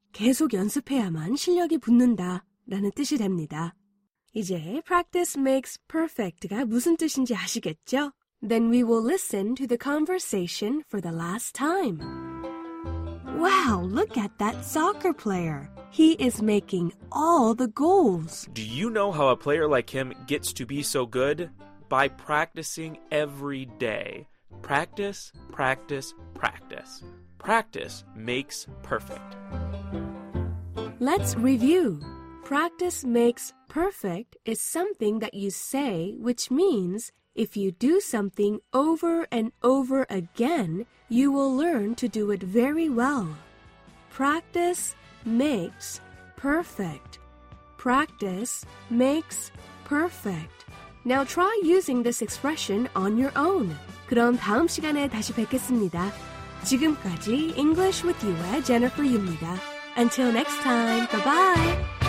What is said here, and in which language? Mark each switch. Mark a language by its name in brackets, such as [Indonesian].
[Korean] 계속 연습해야만 실력이 붙는다 라는 뜻이 됩니다. 이제 [English] practice makes perfect [Korean] 가 무슨 뜻인지 아시겠죠? [English] Then we will listen to the conversation for the last time. Wow, look at that soccer player. He is making all the goals. Do you know how a player like him gets to be so good? By practicing every day. Practice, practice, practice. Practice makes perfect. Let's review. Practice makes perfect is something that you say, which means if you do something over and over again, you will learn to do it very well. Practice makes perfect. Practice makes perfect. Now try using this expression on your own. [Korean] 그럼 다음 시간에 다시 뵙겠습니다. 지금까지 English with you의 Jennifer입니다. [English] Until next time, bye-bye!